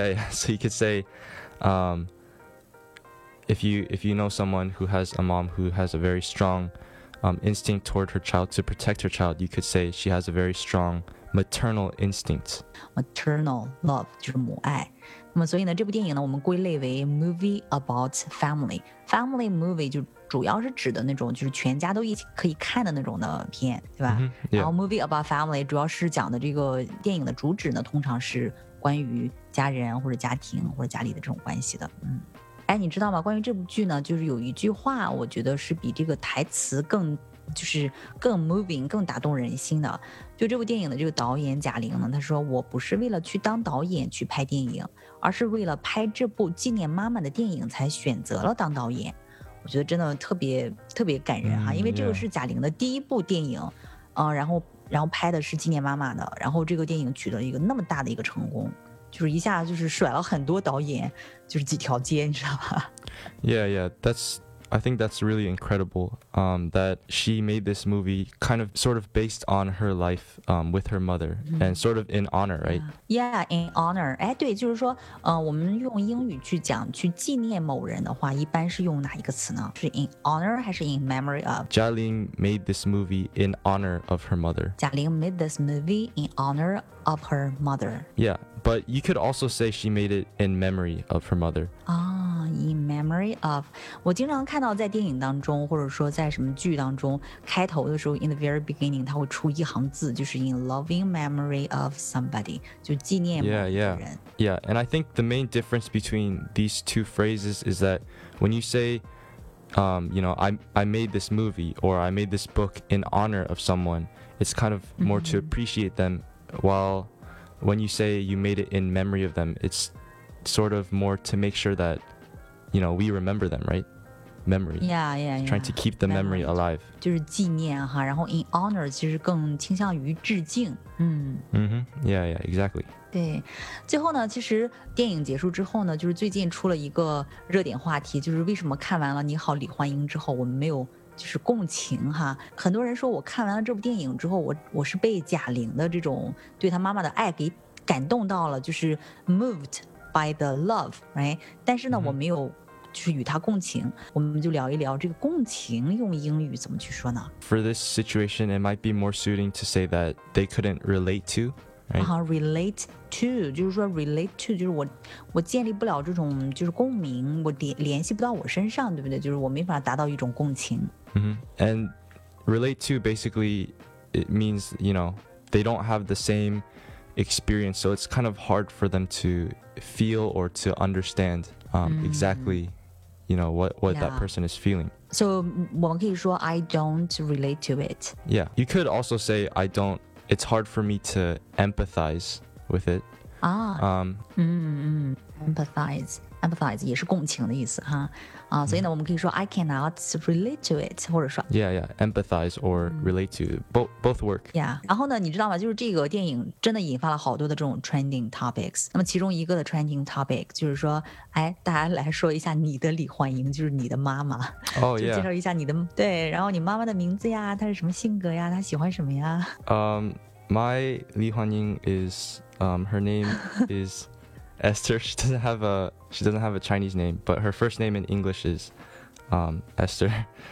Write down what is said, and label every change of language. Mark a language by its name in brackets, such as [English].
[English] So you could say if you know someone who has a mom who has a very strong instinct toward her child to protect her child, you could say she has a very strong maternal instinct. [Chinese] Maternal love, 就是母爱。那么所以呢，这部电影呢，我们归类为 movie about family. Family movie 就主要是指的那种就是全家都一起可以看的那种的片，对吧？ [English] Yeah. [Chinese] 然后 movie about family 主要是讲的这个电影的主旨呢，通常是关于家人或者家庭或者家里的这种关系的。哎，你知道吗？关于这部剧呢，就是有一句话，我觉得是比这个台词更就是更 moving 更打动人心的。就这部电影的这个导演贾玲呢，他说：“我不是为了去当导演去拍电影，而是为了拍这部纪念妈妈的电影才选择了当导演。” 我觉得真的特别特别感人哈，因为这个是贾玲的第一部电影，然后拍的是纪念妈妈的，然后这个电影取得了一个那么大的一个成功，就是一下就是甩了很多导演就是几条街，你知道吧？ [English] Yeah, yeah, that's I think that's really incredible. That she made this movie kind of sort of based on her life, with her mother, and sort of in honor, right? Yeah, in honor. [Chinese] 哎，对，就是说，我们用英语去讲去纪念某人的话，一般是用哪一个词呢？是 in honor 还是 in memory of? [English] Jia Ling made this movie in honor of her mother. Jia Ling made this movie in honor of her mother. Yeah, but you could also say she made it in memory of her mother. [Chinese] In memory of, 我经常看到在电影当中，或者说在什么剧当中，开头的时候 ， [English] in the very beginning， [Chinese] 它会出一行字，就是 [English] in loving memory of somebody， [Chinese] 就纪念某个人。 [English] Yeah, and I think the main difference between these two phrases is that when you say, you know, I made this movie or I made this book in honor of someone, it's kind of more to appreciate them, while when you say you made it in memory of them, it's sort of more to make sure that, you know, we remember them, right? Memory. Yeah, yeah, yeah. Trying to keep the memory, memory alive. [Chinese] 就是纪念哈，然后 in honor 其实更倾向于致敬。嗯。 [English] Mm-hmm. Yeah, yeah, exactly. [Chinese] 对，最后呢，其实电影结束之后呢，就是最近出了一个热点话题，就是为什么看完了《你好，李焕英》之后，我们没有就是共情哈？很多人说我看完了这部电影之后，我是被贾玲的这种对她妈妈的爱给感动到了，就是 [English] moved by the love, right? [Chinese] 但是呢， mm-hmm. 我没有。就是与他共情，我们就聊一聊这个共情用英语怎么去说呢？ [English] For this situation, it might be more suiting to say that they couldn't relate to, right? [Chinese] Uh-huh, relate to, 就是说 relate to, 就是我建立不了这种就是共鸣，我联系不到我身上，对不对？就是我没法达到一种共情。 [English] Mm-hmm. And relate to basically, it means, you know, they don't have the same experience, so it's kind of hard for them to feel or to understand. Exactly, you know, what、 yeah. that person is feeling. [Chinese] So, 我们可以说 [English] I don't relate to it. Yeah, you could also say I don't, it's hard for me to empathize with it. [Chinese] Ah, empathize, 也是共情的意思哈。所以呢我们可以说 [English] I cannot relate to it, [Chinese] 或者说 [English] Yeah, yeah, empathize or relate to, both work. [Chinese] Yeah, 然后呢你知道吗就是这个电影真的引发了好多的这种 trending topics, 那么其中一个的 trending topic 就是说哎大家来说一下你的李焕英就是你的妈妈。 Oh, yeah. 就介绍一下你的对然后你妈妈的名字呀她是什么性格呀她喜欢什么呀 [English] My 李焕英 is, her name is Esther, she doesn't have a Chinese name, but her first name in English is Esther.